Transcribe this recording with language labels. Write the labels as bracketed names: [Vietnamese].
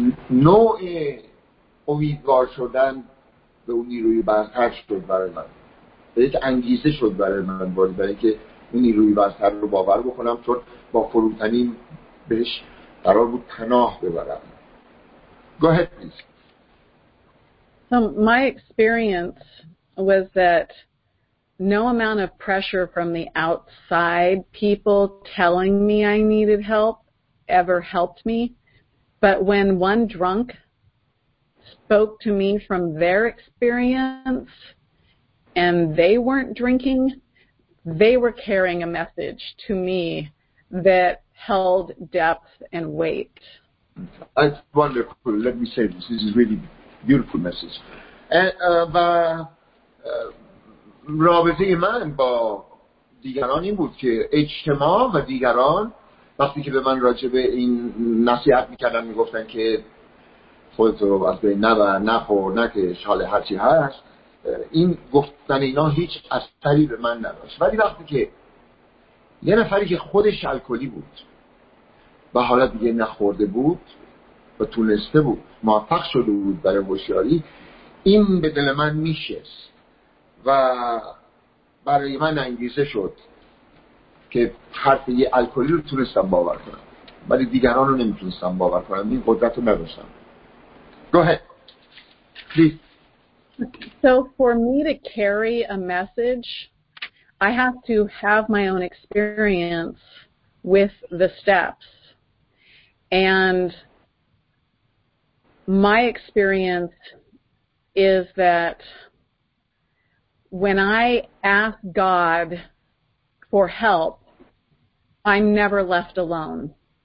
[Persian] نوع امیدوار شدن به اون نیروی برتر شد برای من، به یک انگیزه شد برای من، برای که اون نیروی برتر رو باور بکنم، چون با فروتنی بهش قرار بود پناه ببرم. [English] Go ahead, please. So my experience was that no amount of pressure from the outside, people telling me I needed help, ever helped me. But when one drunk spoke to me from their experience and they weren't drinking, they were carrying a message to me that held depth and weight. That's wonderful. Let me say this. This is really beautiful message. [Persian] و رابطه من با دیگران این بود که اجتماع و دیگران وقتی که به من راجع به این نصیحت میکردن میگفتن که خودت رو از بین نبر، نخور، نکش، حال هرچی هست، این گفتن اینا هیچ اثری به من نداشت. ولی وقتی که یه نفری که خودش الکلی بود و حالا دیگه نخورده بود و تونسته بود موفق شده بود برای هوشیاری، این به دل من میشست و برای من انگیزه شد که حرف یه الکلی رو تونستم باور کنم ولی دیگران رو نمیتونستم باور کنم. این قدرت رو نداشتم. [English] Go ahead. Please. So for me to carry a message, I have to have my own experience with the steps. And my experience is that when I ask God for help, I'm never left alone.